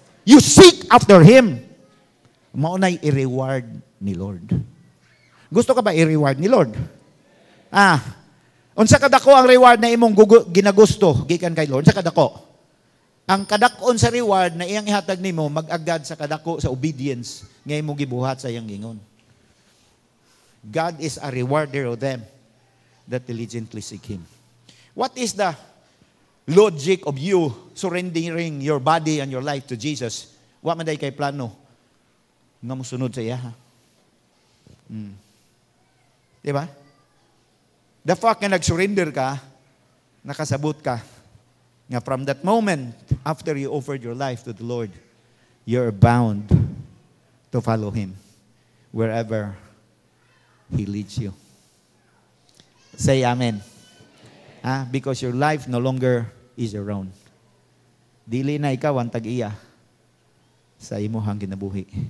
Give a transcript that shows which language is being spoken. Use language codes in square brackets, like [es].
[en] You seek after Him. [ceb] Maunay i-reward ni Lord. Gusto ka ba i-reward ni Lord? Unsa kadako ang reward na imong ginagusto gikan kay Lord? Unsa kadako? Ang kadakon sa reward na iyang ihatag nimo mag-agad sa kadako sa obedience nga imong gibuhat sa iyang ingon. [en] God is a rewarder of them that diligently seek Him. What is the logic of you surrendering your body and your life to Jesus? [ceb] Wa man day kay plano nga musunod sa iya. Diba? [en] The fact [ceb] na nag-surrender ka, nakasabot ka, nga [en] from that moment, after you offered your life to the Lord, you're bound to follow Him wherever He leads you. Say amen. Amen. Ha? Because your life no longer is your own. [ceb] Dili na ikaw ang tag-iya sa imuhang ginabuhi.